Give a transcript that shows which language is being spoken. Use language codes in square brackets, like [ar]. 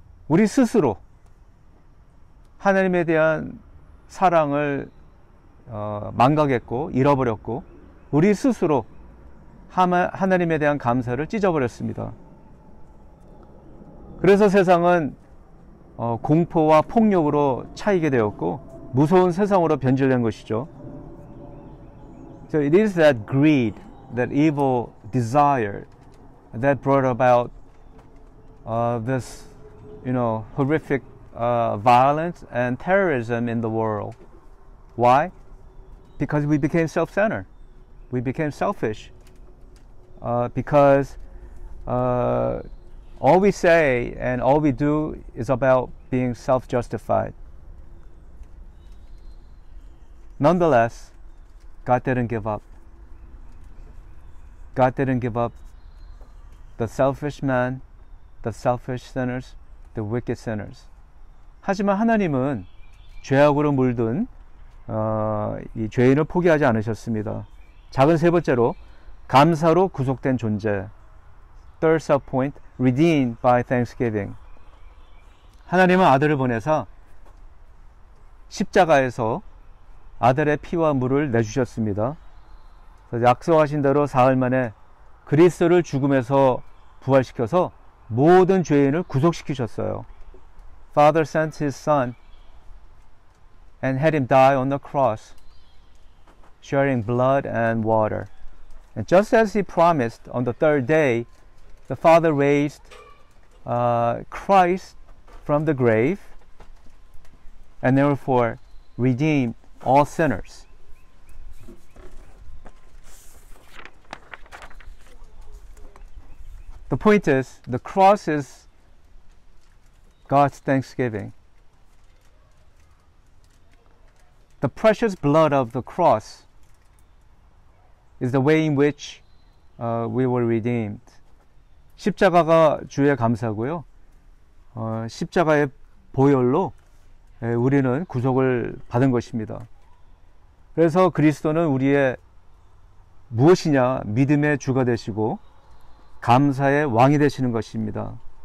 [ko] 우리 스스로 하나님에 대한 사랑을 망각했고 잃어버렸고 우리 스스로 하나님에 대한 감사를 찢어버렸습니다. 그래서 세상은 공포와 폭력으로 차이게 되었고 무서운 세상으로 변질된 것이죠. [en] So it is that greed, that evil desire that brought about this, you know, horrific violence and terrorism in the world. Why? Because we became self-centered. We became selfish. Because all we say and all we do is about being self-justified. Nonetheless, God didn't give up. God didn't give up the selfish man, the selfish sinners, the wicked sinners. [ko] 하지만 하나님은 죄악으로 물든 이 죄인을 포기하지 않으셨습니다. 작은 세 번째로 감사로 구속된 존재. [en] Third sub point, redeemed by thanksgiving. [ko] 하나님은 아들을 보내서 십자가에서 아들의 피와 물을 내주셨습니다. 약속하신 대로 사흘 만에 그리스도를 죽음에서 부활시켜서 모든 죄인을 구속시키셨어요. [en] Father sent his son and had him die on the cross, shedding blood and water. And just as he promised, on the third day, the Father raised Christ from the grave and therefore redeemed all sinners. The point is, the cross is God's thanksgiving. The precious blood of the cross is the way in which we were redeemed. [ko] 십자가가 주의 감사고요. 십자가의 보혈로 우리는 구속을 받은 것입니다. 그래서 그리스도는 우리의 무엇이냐? 믿음의 주가 되시고 감사의 왕이 되시는 것입니다.